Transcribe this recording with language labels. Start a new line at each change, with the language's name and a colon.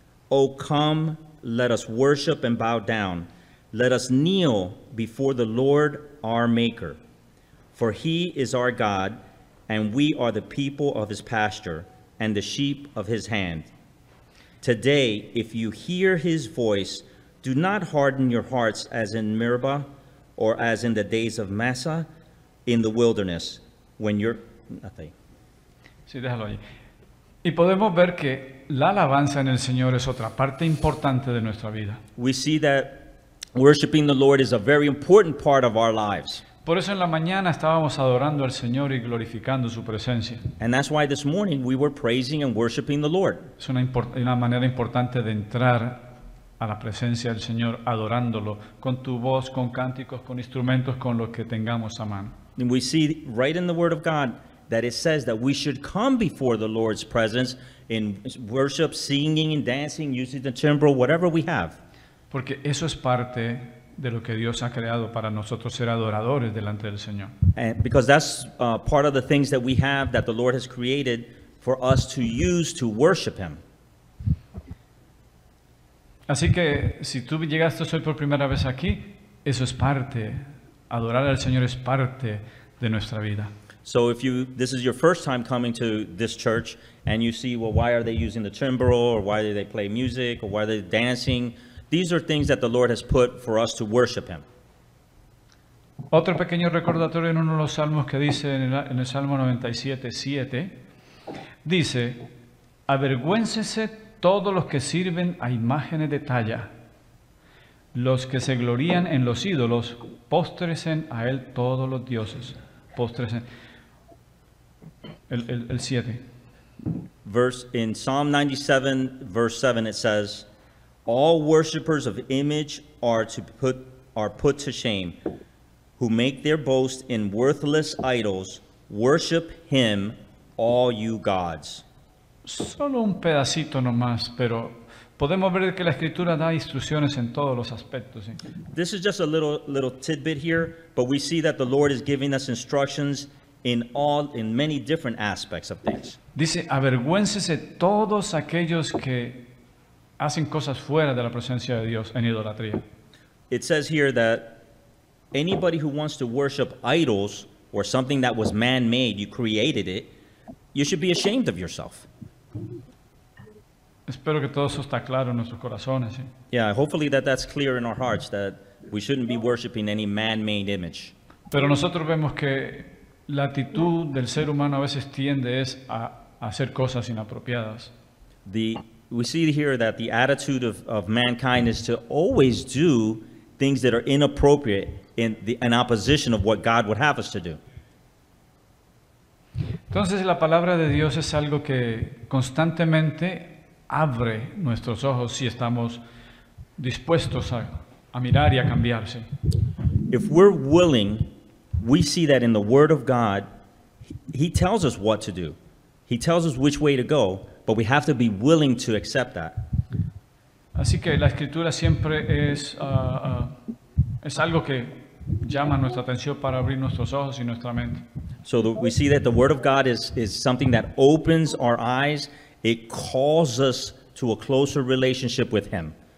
English: Oh, come, let us worship and bow down. Let us kneel before the Lord our Maker, for He is our God, and we are the people of His pasture and the sheep of His hand. Today, if you hear His voice, do not harden your hearts as in Meribah or as in the days of Massah, in the wilderness when you're nothing.
Spanish: Sí, déjalo ahí. Y podemos ver que la alabanza en el Señor es otra parte importante de nuestra vida.
English: We see that worshiping the Lord is a very important part of our lives.
Spanish: Por eso en la mañana estábamos adorando al Señor y glorificando su presencia.
English: And that's why this morning we were praising and worshiping the Lord.
Spanish: Es una manera importante de entrar a la presencia del Señor adorándolo con tu voz, con cánticos, con instrumentos, con lo que tengamos a mano.
English: And we see right in the Word of God that it says that we should come before the Lord's presence in worship, singing and dancing, using the timbre, whatever we have.
Spanish: Porque eso es parte de lo que Dios ha creado para nosotros ser adoradores delante del Señor.
English: And because that's part of the things that we have that the Lord has created for us to use to worship Him.
Spanish: Así que si tú llegaste hoy por primera vez aquí, eso es parte. Adorar al Señor es parte de nuestra vida.
English: So if you, this is your first time coming to this church and you see, well, why are they using the timbre or why do they play music or why are they dancing? These are things that the Lord has put for us to worship Him.
Spanish: Otro pequeño recordatorio en uno de los salmos que dice en el Salmo 97:7, dice, avergüéncese todos los que sirven a imágenes de talla, los que se glorían en los ídolos, póstresen a él todos los dioses. Póstresen. El 7.
English: Verse, in Psalm 97, verse 7, it says, all worshippers of image are put to shame, who make their boast in worthless idols, worship him, all you gods.
Spanish: Solo un pedacito nomás, pero podemos ver que la Escritura da instrucciones en todos los aspectos. ¿Sí?
English: This is just a little tidbit here, but we see that the Lord is giving us instructions in many different aspects of things.
Spanish: Dice, avergüéncese todos aquellos que hacen cosas fuera de la presencia de Dios en idolatría.
English: It says here that anybody who wants to worship idols or something that was man-made, you created it, you should be ashamed of yourself.
Spanish: Espero que todo eso está claro en nuestros corazones. ¿Sí?
English: Yeah, hopefully that's clear in our hearts, that we shouldn't be worshiping any man-made image.
Spanish: Pero nosotros vemos que la actitud del ser humano a veces tiende es a hacer cosas inapropiadas.
English: We see here that the attitude of mankind is to always do things that are inappropriate in opposition of what God would have us to do.
Spanish: Entonces la palabra de Dios es algo que constantemente abre nuestros ojos si estamos dispuestos a mirar y a cambiarse.
English: If we're willing, we see that in the Word of God, He tells us what to do. He tells us which way to go, but we have to be willing to accept that.
Spanish: Así que la Escritura siempre es algo que llama nuestra atención para abrir nuestros ojos y nuestra mente.
English: So we see that the Word of God is something that opens our eyes. It calls us to a closer relationship with Him.